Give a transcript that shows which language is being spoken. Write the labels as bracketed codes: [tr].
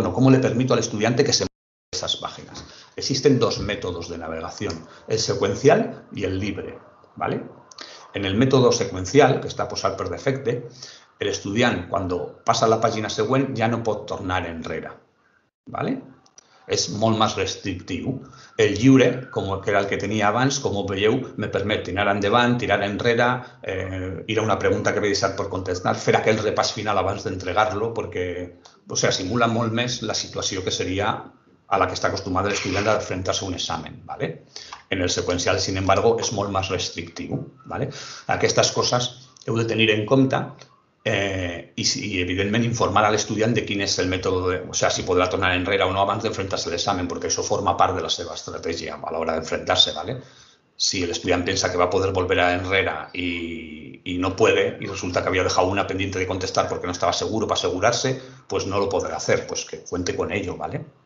[es] No, ¿cómo le permito al estudiante que se mueva por esas páginas? Existen dos métodos de navegación, el secuencial y el libre, ¿vale? En el método secuencial, que está posado per defecte, el estudiante, cuando pasa a la página següent, ya [ca] no pot tornar enrere, [es] ¿vale? [ca] És molt més restrictiu. El lliure, com que era el que tenia abans, com ho veieu, me permet tirar endavant, tirar enrere, ir a una pregunta que m'he deixat per contestar, fer aquell repàs final abans d'entregar-lo, perquè, o sigui, simula molt més la situació que seria a la que està acostumat l'estudiant a enfrentar-se a un examen, ¿vale? En el seqüencial, [es] sin embargo, [ca] és molt més restrictiu, ¿vale? Aquestes coses heu de tenir en compte. [es] Y evidentemente informar al estudiante de quién es el método, o sea, si podrá [ca] tornar enrere o no abans de [es] enfrentarse al examen, porque eso forma parte [ca] de la seva [es] estrategia a la hora de enfrentarse, ¿vale? Si el estudiante piensa que va a poder volver a enrere y no puede, y resulta que había dejado una pendiente de contestar porque no estaba seguro para asegurarse, pues no lo podrá hacer, pues que cuente con ello, ¿vale?